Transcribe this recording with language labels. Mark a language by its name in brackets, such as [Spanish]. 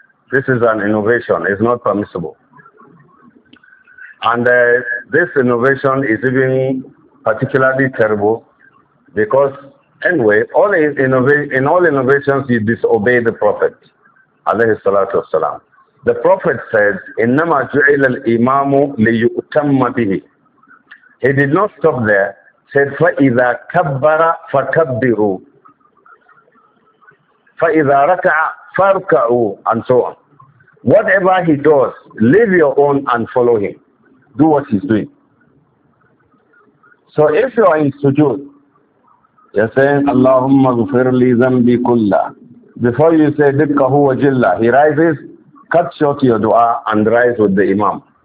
[English] This is an innovation. It's not permissible. And this innovation is even particularly terrible because, anyway, in all innovations, you disobey the Prophet, alayhi salatu wasalam. The Prophet says, [Arabic] إِنَّمَا جُعِلَ الْإِمَامُ لِيُؤْتَمَّ بِهِ. [English] He did not stop there. said, [Arabic] فَإِذَا كَبَّرَ فَكَبِّرُوا فَإِذَا رَكَعَ فَارْكَعُوا [English] and so on. Whatever he does, leave your own and follow him. Do what he's doing. So if you are in sujood, you're saying, Allahumma ghafir li zambi kulla. Before you say, Dibkahu wa jilla, he rises, cut short your dua and rise with the imam.